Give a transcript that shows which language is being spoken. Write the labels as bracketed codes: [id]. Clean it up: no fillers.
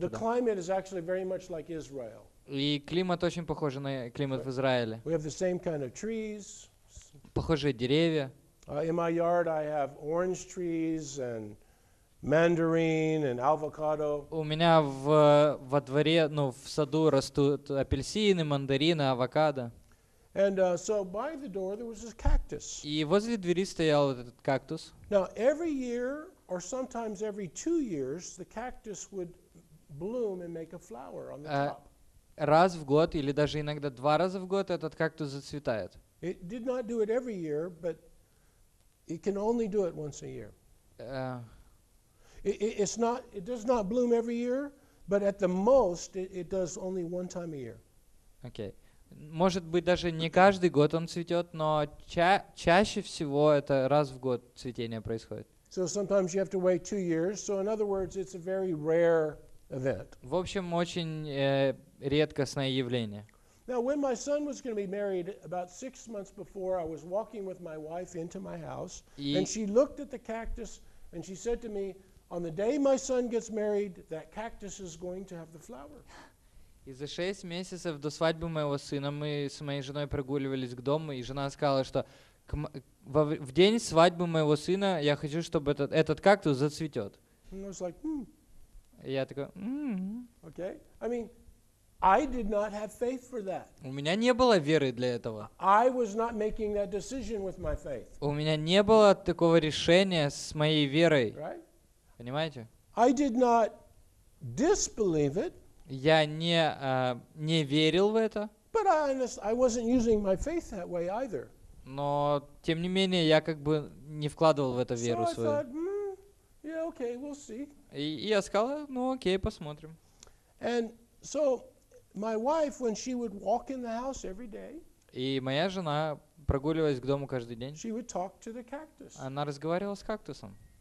[en] the [ru] туда. [en] The climate is actually very much like Israel. [ru] И климат очень похож на климат в Израиле. [en] We have the same kind of trees. [ru] Похожие деревья. [en] In my yard I have orange trees and mandarin and avocado. [ru] У меня во дворе, ну, в саду растут апельсины, мандарины, авокадо. [en] And so by the door there was this cactus. [ru] И возле двери стоял этот кактус. [en] Now every year or sometimes every 2 years the cactus would bloom and make a flower on the top. [ru] Раз в год или даже иногда два раза в год этот кактус зацветает. [en] It did not do it every year, but it can only do it once a year. It does not bloom every year, but at the most it does only one time a year. Okay. [ru] Может быть даже не каждый год он цветет, но чаще всего это раз в год цветение происходит. [en] So sometimes you have to wait 2 years. So in other words, it's a very rare event. [ru] В общем, очень редкостное явление. [en] Now, when my son was going to be married, about 6 months before, I was walking with my wife into my house, and she looked at the cactus, and she said to me, "On the day my son gets married, that cactus is going to have the flower." [ru] И за 6 месяцев до свадьбы моего сына мы с моей женой прогуливались к дому, и жена сказала, что в день свадьбы моего сына я хочу, чтобы этот кактус зацветет. [en] And I was like, [ru] Я такой, [en] Okay, I mean. I did not have faith for that. [ru] У меня не было веры для этого. [en] I was not making that decision with my faith. [ru] У меня не было такого решения с моей верой. [en] Right? [ru] Понимаете? [en] I did not disbelieve it. [ru] Я не верил в это. [en] But I wasn't using my faith that way either. [ru] Но тем не менее я как бы не вкладывал в это веру свою. [en] So I thought, yeah, okay, we'll see. [ru] И я сказал, ну окей, посмотрим. [en] And so my wife, when she would walk in the house every day, [ru] и моя жена, прогуливаясь к дому каждый день, [en] she would talk to the cactus. [ru] Она разговаривала с кактусом.